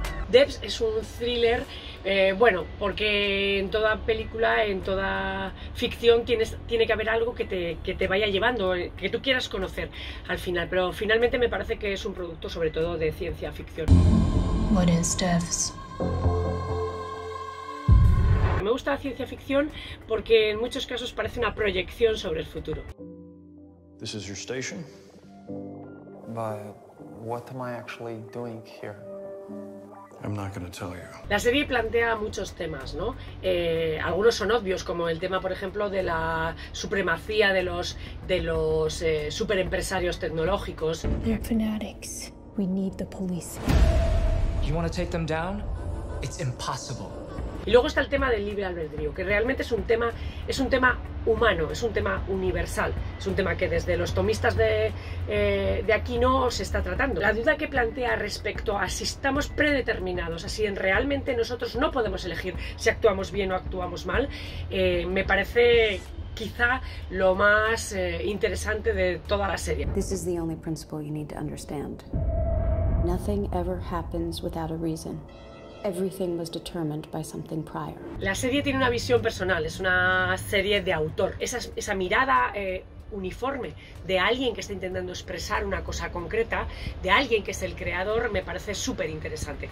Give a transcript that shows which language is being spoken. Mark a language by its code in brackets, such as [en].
[es] Debs es un thriller, bueno, porque en toda película, en toda ficción, tiene que haber algo que te vaya llevando, que tú quieras conocer al final. Pero finalmente me parece que es un producto sobre todo de ciencia ficción. [en] What is Debs? [es] Me gusta la ciencia ficción porque en muchos casos parece una proyección sobre el futuro. [en] This is your station. But what am I actually doing here? I'm not gonna tell you. [es] La serie plantea muchos temas, ¿no? Algunos son obvios, como el tema, por ejemplo, de la supremacía de los superempresarios tecnológicos. [en] They're fanatics. We need the police. You want to take them down? It's impossible. [es] Y luego está el tema del libre albedrío, que realmente es un tema humano, es un tema universal, es un tema que desde los tomistas de aquí no se está tratando. La duda que plantea respecto a si estamos predeterminados, a si realmente nosotros no podemos elegir si actuamos bien o actuamos mal, me parece quizá lo más interesante de toda la serie. [en] This is the only principle you need to understand. Nothing ever happens without a reason. Everything was determined by something prior. [es] La serie tiene una visión personal, es una serie de autor. Esa mirada uniforme de alguien que está intentando expresar una cosa concreta, de alguien que es el creador, me parece súper interesante.